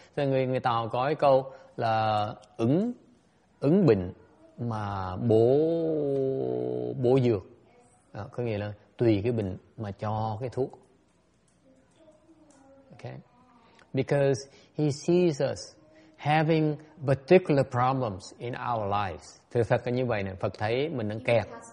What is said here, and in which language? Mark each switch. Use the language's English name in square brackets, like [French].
[Vietnamese] Thì người Tàu có cái câu là ứng bệnh mà bổ dược. À, có nghĩa là tùy cái bệnh mà cho cái thuốc. [English] Okay. Because he sees us having particular problems in our lives. [Vietnamese] Thì Phật có như vậy nè, Phật thấy mình đang kẹt.